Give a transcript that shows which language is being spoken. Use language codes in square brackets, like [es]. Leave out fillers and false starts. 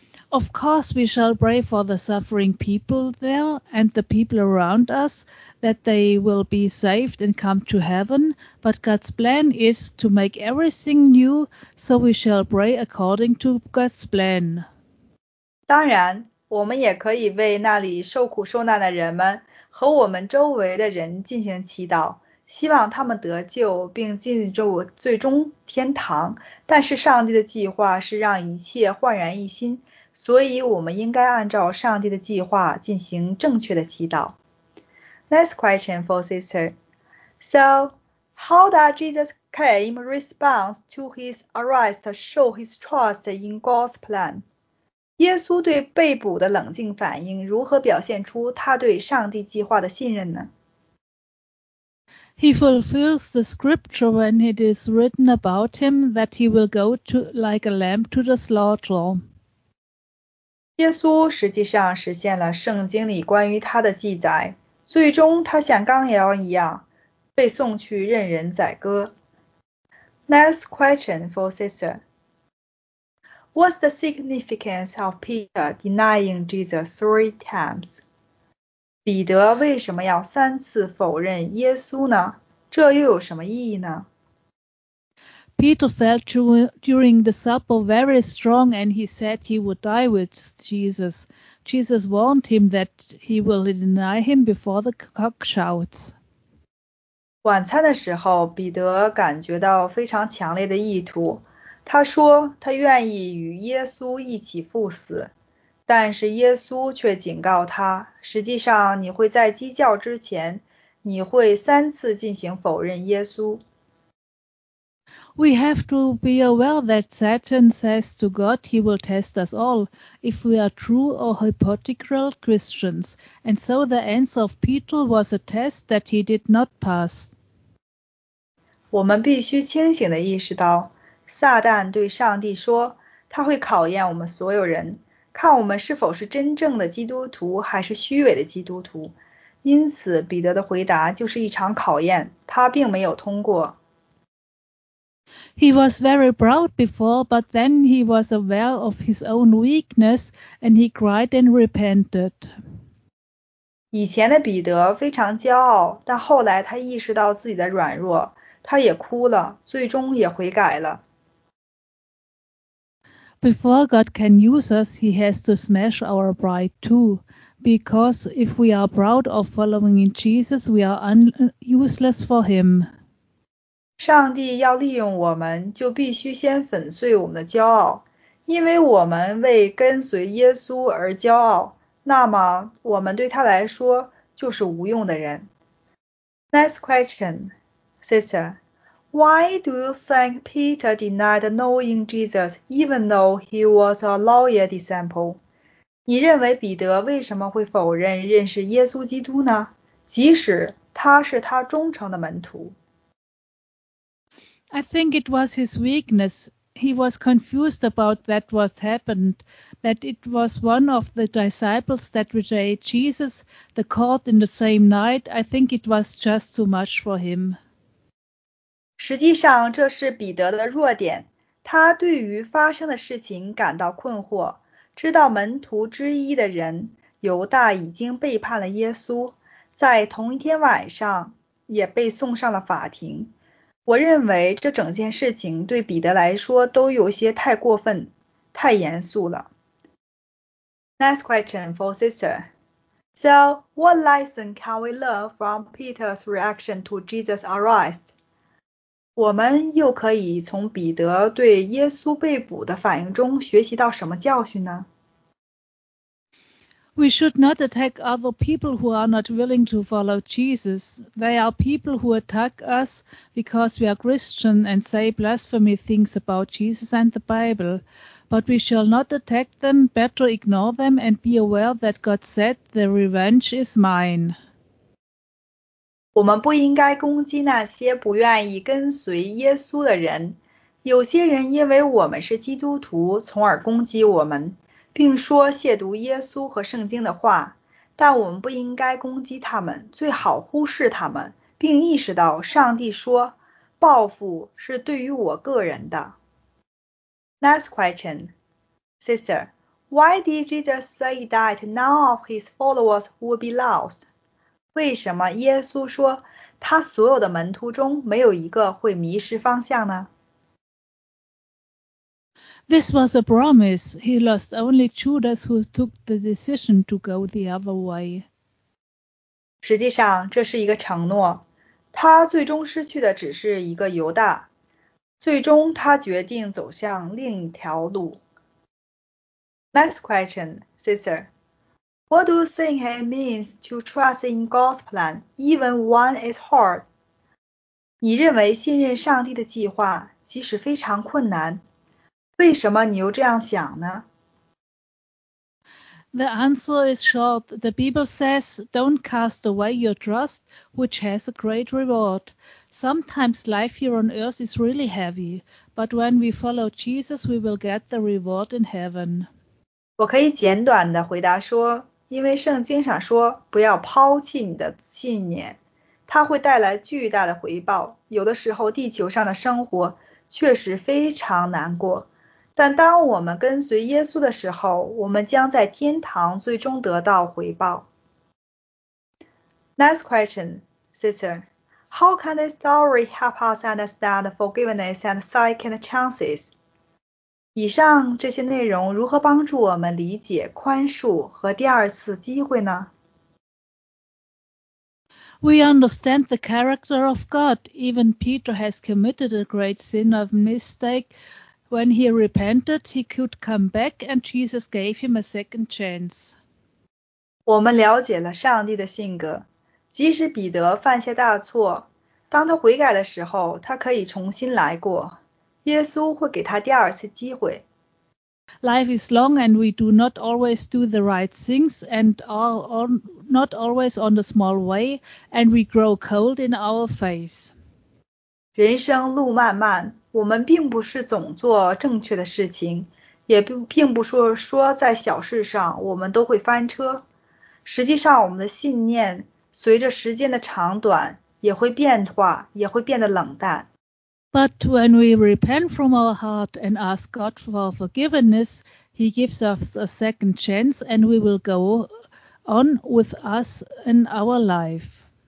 [en] Of course, we shall pray for the suffering people there and the people around us that they will be saved and come to heaven, but God's plan is to make everything new, so we shall pray according to God's plan. [zh] 当然，我们也可以为那里受苦受难的人们和我们周围的人进行祈祷，希望他们得救并进入最终天堂。但是上帝的计划是让一切焕然一新，所以我们应该按照上帝的计划进行正确的祈祷。 [en] Next question for sister. So, how does Jesus came response to his arrest show his trust in God's plan? [zh] 耶稣对被捕的冷静反应如何表现出他对上帝计划的信任呢？ [en] He fulfills the scripture when it is written about him that he will go to like a lamb to the slaughter. [zh] 耶稣实际上实现了圣经里关于他的记载，最终他像羔羊一样被送去任人宰割。 [en] Next question for sister. What's the significance of Peter denying Jesus three times? [zh] 彼得为什么要三次否认耶稣呢？这又有什么意义呢？ [en] Peter felt during the supper very strong and he said he would die with Jesus. Jesus warned him that he will deny him before the cock shouts. [zh] 晚餐的时候，彼得感觉到非常强烈的意图。他说他愿意与耶稣一起赴死，但是耶稣却警告他，实际上你会在鸡叫之前，你会三次进行否认耶稣。 [en] We have to be aware that Satan says to God he will test us all if we are true or hypocritical Christians, and so the answer of Peter was a test that he did not pass. [zh] 我们必须清醒地意识到，撒旦对上帝说，他会考验我们所有人，看我们是否是真正的基督徒还是虚伪的基督徒。因此，彼得的回答就是一场考验，他并没有通过。 [en] He was very proud before, but then he was aware of his own weakness, and he cried and repented. [zh] 以前的彼得非常骄傲，但后来他意识到自己的软弱，他也哭了，最终也悔改了。 [en] Before God can use us, he has to smash our pride too, because if we are proud of following in Jesus, we are useless for him. [zh] 上帝要利用我们，就必须先粉碎我们的骄傲，因为我们为跟随耶稣而骄傲，那么我们对他来说就是无用的人。 [en] Next question, sister, why do you think Peter denied knowing Jesus even though he was a loyal disciple? [zh] 你认为彼得为什么会否认认识耶稣基督呢？即使他是他忠诚的门徒。 [en] I think it was his weakness. He was confused about that what happened, that it was one of the disciples that betrayed Jesus, the caught in the same night. I think it was just too much for him. [zh] 实际上这是彼得的弱点。他对于发生的事情感到困惑，知道门徒之一的人，犹大已经背叛了耶稣，在同一天晚上也被送上了法庭。我认为这整件事情对彼得来说都有些太过分，太严肃了。 [en] Next question for sister. So, what lesson can we learn from Peter's reaction to Jesus' arrest? [zh] 我们又可以从彼得对耶稣被捕的反应中学习到什么教训呢？ [en] We should not attack other people who are not willing to follow Jesus. They are people who attack us because we are Christian and say blasphemy things about Jesus and the Bible. But we shall not attack them, better ignore them and be aware that God said, the revenge is mine. [zh] 我们不应该攻击那些不愿意跟随耶稣的人。有些人因为我们是基督徒，从而攻击我们。并说亵渎耶稣和圣经的话，但我们不应该攻击他们，最好忽视他们，并意识到上帝说，报复是对于我个人的。 [en] Next question. Sister, why did Jesus say that none of his followers would be lost? [zh] 为什么耶稣说他所有的门徒中没有一个会迷失方向呢？ [en] This was a promise. He lost only Judas who took the decision to go the other way. [zh] 实际上这是一个承诺。他最终失去的只是一个犹大。最终他决定走向另一条路。 [en] Next question, sister. What do you think it means to trust in God's plan, even when it's hard? [zh] 你认为信任上帝的计划即使非常困难？为什么你又这样想呢？ [en] The answer is short. The Bible says, don't cast away your trust, which has a great reward. Sometimes life here on earth is really heavy, but when we follow Jesus, we will get the reward in heaven. [zh] 我可以简短地回答说，因为圣经上说，不要抛弃你的信念，它会带来巨大的回报。有的时候地球上的生活确实非常难过，但当我们跟随耶稣的时候，我们将在天堂最终得到回报。 [en] Next question, sister. How can this story help us understand forgiveness and second chances? [zh] 以上这些内容如何帮助我们理解宽恕和第二次机会呢？ [en] We understand the character of God. Even Peter has committed a great sin of mistake. When he repented, he could come back and Jesus gave him a second chance. [zh] 我们了解了上帝的性格。即使彼得犯下大错，当他悔改的时候，他可以重新来过。耶稣会给他第二次机会。 [en] Life is long and we do not always do the right things and are not always on the small way and we grow cold in our faith. [zh] 人生路漫漫，我们并不是总做正确的事情，也并不是说在小事上我们都会翻车。实际上我们的信念随着时间的长短也会变化，也会变得冷淡。 [en] But when we repent from our heart and ask God for forgiveness, He gives us a second chance and we will go on with us in our life.